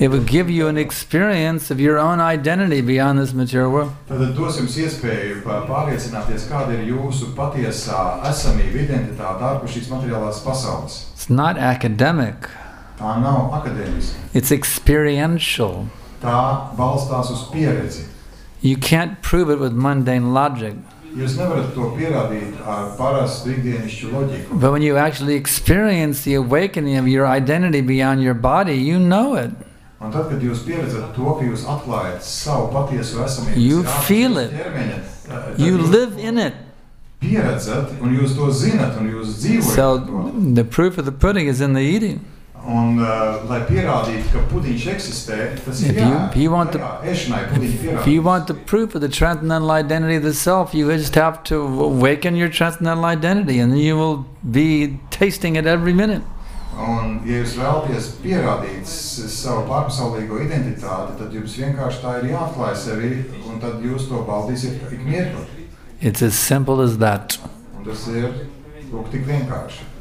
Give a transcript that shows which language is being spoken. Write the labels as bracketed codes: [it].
[en] it will give you an experience of your own identity beyond this material world. [lv] Tātad dos jums iespēju pārliecināties, kāda ir jūsu patiesā esamība, identitāte ārpus šīs materiālās pasaules. [en] It's not academic. [lv] Tā nav akadēmiska. [en] It's experiential. [lv] Tā balstās uz pieredzi. [en] You can't prove it with mundane logic. [lv] Jūs nevarat to pierādīt ar parastu ikdienišķu loģiku. [en] But when you actually experience the awakening of your identity beyond your body, you know it. [lv] Un tad, kad jūs pieredzat to, ka jūs atklājat savu patiesu esamību, [en] you feel it. You live in it. [lv] Pieredzat, un jūs to zinat, un jūs dzīvojat. [en] So the proof of the pudding is in the eating. [lv] Un lai pierādīt, ka pudiņš eksistē, tas ir [en] if you want the proof of the transcendental identity of the self, you just have to awaken your transcendental identity and you will be tasting it every minute. [lv] Un ja jūs vēlaties pierādīt savu pārpasaulīgo identitāti, tad jums vienkārši tā ir jāatklāj sevi un tad jūs to baudīsiet tik mierīgi. [en] It's as simple as that. [lv] Un tas ir lūk tik vienkārši.